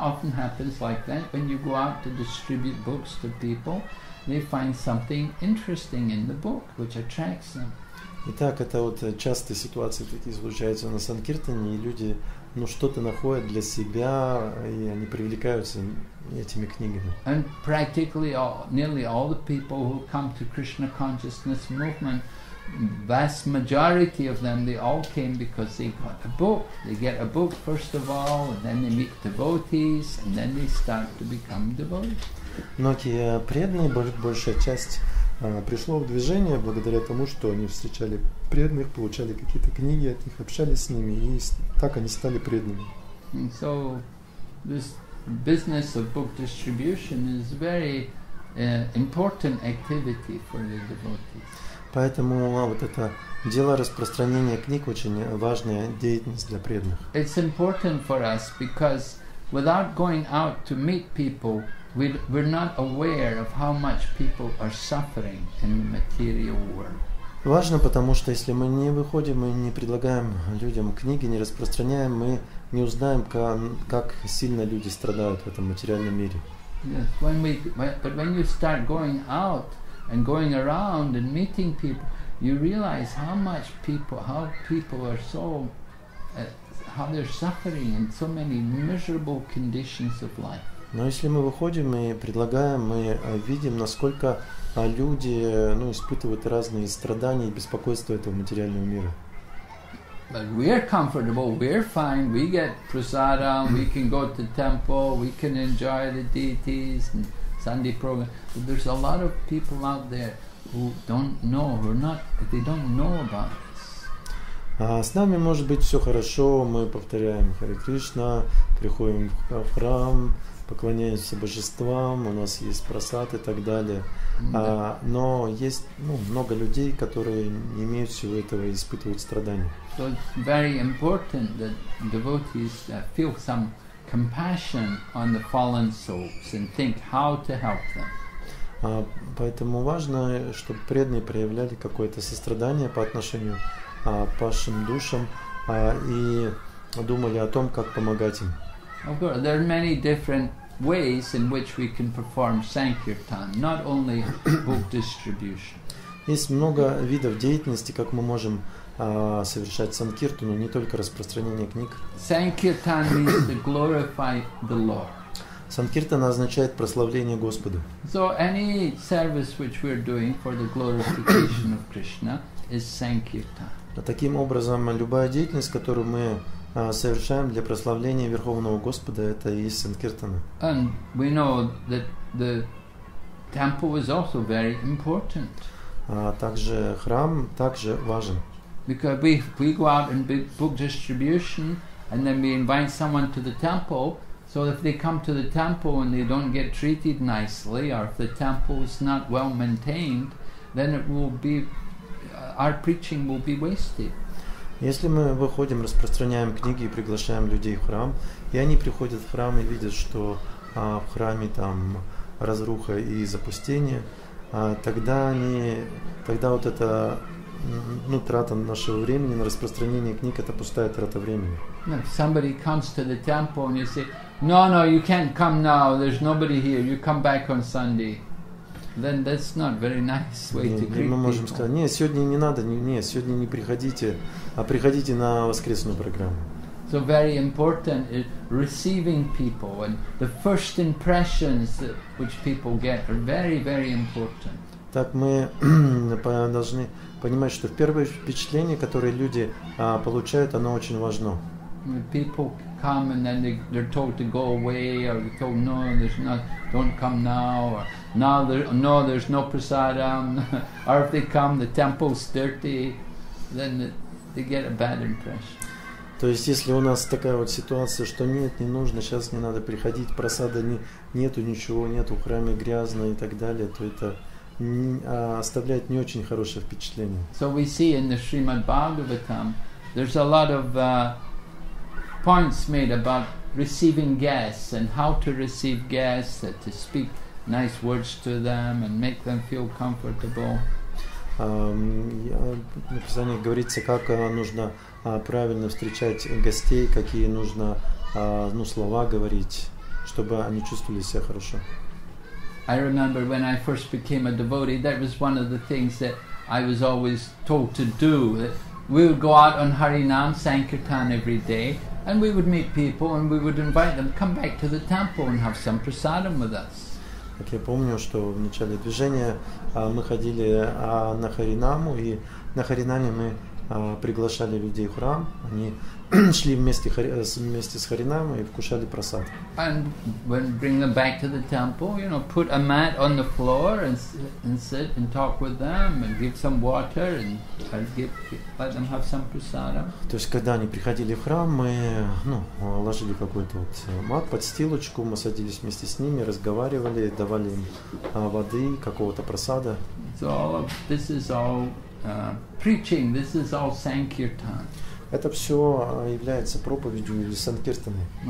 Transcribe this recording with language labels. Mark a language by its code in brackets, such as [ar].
[en] Often happens like that when you go out to distribute books to people. They find something interesting in the book, which attracts them. [ru] Итак, это вот частые ситуации такие случаются на Санкиртане, и люди, ну, что-то находят для себя, и они привлекаются этими книгами. [en] And practically, nearly all the people who come to Krishna consciousness movement, vast majority of them, they all came because they got a book. They get a book first of all, and then they meet devotees, and then they start to become devotees. [ru] Многие преданные, большая часть пришло в движение благодаря тому, что они встречали преданных, получали какие-то книги от них, общались с ними, и так они стали преданными. [en] And so this business of book distribution is very important activity for the devotees. [ru] Поэтому вот это дело распространения книг очень важная деятельность для преданных. [en] It's important for us because without going out to meet people, we're not aware of how much people are suffering in the material world. [ru] Важно, потому что если мы не выходим и не предлагаем людям книги, не распространяем, мы не узнаем, как сильно люди страдают в этом материальном мире. [en] Yes, but when you start going out and going around and meeting people, you realize how they're suffering in so many miserable conditions of life. [ru] Но если мы выходим и предлагаем, мы видим, насколько люди, ну, испытывают разные страдания и беспокойства этого материального мира. [en] But we're comfortable, we're fine, we get prasadam, we can go to temple, we can enjoy the deities and Sunday program. But there's a lot of people out there who don't know, who are not, they don't know about it. [ru] С нами может быть все хорошо, мы повторяем Харе Кришна, приходим в храм, поклоняемся божествам, у нас есть просад и так далее. Но есть, ну, много людей, которые не имеют всего этого и испытывают страдания. [en] So it's very important that devotees feel some compassion on the fallen souls and think how to help them. [ru] Поэтому важно, чтобы преданные проявляли какое-то сострадание по отношению пашим душам и думали о том, как помогать им. [en] Of course, there are many different ways in which we can perform sankirtan, not only book distribution. [ru] Есть много видов деятельности, как мы можем совершать санкиртану, не только распространение книг. [en] Sankirtan means to glorify the Lord. [ru] Санкиртана означает прославление Господа. [en] So any service which we're doing for the glorification of Krishna is sankirtan. [ru] Таким образом, любая деятельность, которую мы совершаем для прославления Верховного Господа, это и есть санкиртана. [en] And we know that the temple was also very important. [ru] Также храм также важен. [en] Because we go out in big book distribution and then we invite someone to the temple. So if they come to the temple and they don't get treated nicely, or if the temple is not well maintained, then it will be our preaching will be wasted. [ru] Если мы выходим, распространяем книги и приглашаем людей в храм, и они приходят в храм и видят, что в храме там разруха и запустение, тогда вот это трата нашего времени на распространение книг — это пустая трата времени. [en] Somebody comes to the temple and you say, no, you can't come now, there's nobody here, you come back on Sunday. Then that's not very nice way to greet people. [ru] Мы можем сказать, нет, сегодня не надо, нет, сегодня не приходите, а приходите на воскресную программу. [en] So very important is receiving people, and the first impressions which people get are very, very important. [ru] Так мы должны понимать, что первое впечатление, которое люди получают, оно очень важно. [en] People come and then they're told to go away, or they're told, no, there's not, don't come now, or now there, no, there's no prasadam, or if they come, the temple's dirty, then they get a bad impression. [ru] То есть, если у нас такая вот ситуация, что нет, не нужно, сейчас не надо приходить, просада нету, ничего нету, в храме грязно и так далее, то это оставляет не очень хорошее впечатление. [en] So we see in the Srimad Bhagavatam, there's a lot of points made about receiving guests and how to receive guests, to speak nice words to them and make them feel comfortable. [ru] В описании говорится, как нужно правильно встречать гостей, какие нужно слова говорить, чтобы они чувствовали себя хорошо. [en] I remember when I first became a devotee, that was one of the things that I was always told to do. We would go out on Harinam Sankirtan every day, and we would meet people and we would invite them, come back to the temple and have some prasadam with us. [ru] Как я помню, что в начале движения мы ходили на Харинаму, и на Харинаме мы приглашали людей в храм, они шли вместе с Харинамой и вкушали прасад. [en] And when bring them back to the temple, you know, put a mat on the floor and sit and talk with them and give some water and let them have some prasadam. [ru] То есть, когда они приходили в храм, мы ложили какой-то вот мат, подстилочку, мы садились вместе с ними, разговаривали, давали им воды, какого-то прасада. [en] So all of this is all preaching, this is all sankirtan. [ru] Это все является проповедью или санкиртаной.